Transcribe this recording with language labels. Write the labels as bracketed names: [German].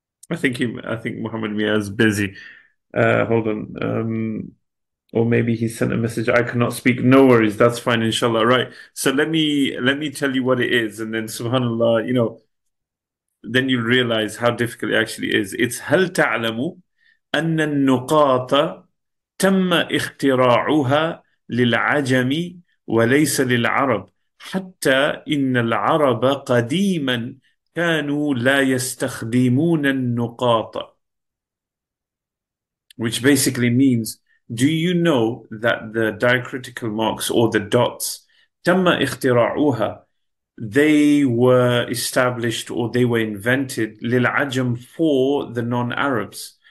[English] I think Muhammad Mia is busy. Hold on. Or maybe he sent a message. I cannot speak. No worries. That's fine, inshallah. Right. So let me tell you what it is, and then subhanAllah, then you realize how difficult it actually is. It's [Arabic] هل تعلم أن النقاط تم اختراعها للعجم وليس للعرب حتى إن العرب قديما كانوا لا يستخدمون النقاط. [English] Which basically means, do you know that the diacritical marks or the dots, [Arabic] تم اختراعها, [English] they were established or they were invented للعجم for the non-Arabs.